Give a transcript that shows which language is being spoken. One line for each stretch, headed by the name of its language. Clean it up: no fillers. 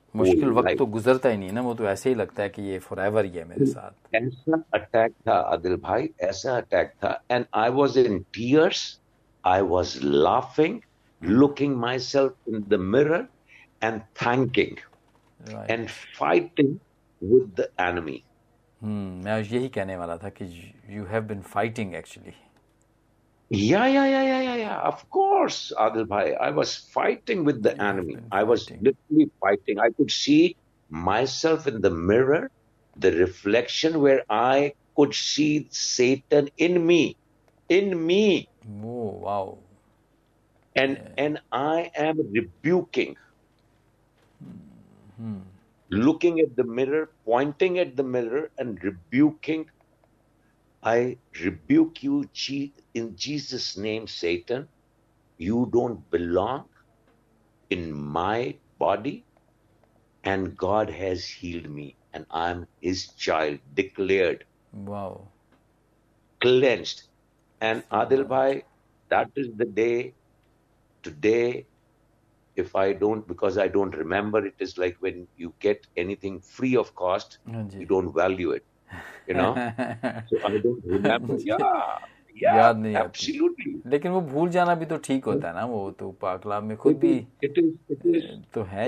Urdu: مشکل وقت تو گزرتا ہی نہیں نا, وہ تو ایسے ہی لگتا ہے کہ یہ فور ایور ہی ہے میرے ساتھ. ایسا اٹیک تھا عادل بھائی, ایسا اٹیک تھا.
English: And I was in tears, I was laughing, looking myself in the mirror and thanking. Right. And fighting with the enemy.
Urdu: میں آج یہی کہنے والا تھا کہ
English: you have been fighting actually. Yeah. Of course, Adil bhai. I was fighting with the enemy. I was literally fighting. I could see myself in the mirror, the reflection where I could see Satan in me. In me. Oh, wow. And, yeah. And I am rebuking. Looking at the mirror, pointing at the mirror and rebuking. I rebuke you in Jesus' name, Satan. You don't belong in my body. And God has healed me. And I'm his child, declared. Wow. Cleansed. And Adil bhai, that is the day, today, if I don't, because I don't remember, it is like when you get anything free of cost, you don't value it. You know? So I don't remember. Yeah, absolutely.
Urdu: لیکن وہ بھول جانا بھی تو ٹھیک ہوتا ہے نا, وہ تو پاکلام میں خود بھی تو ہے.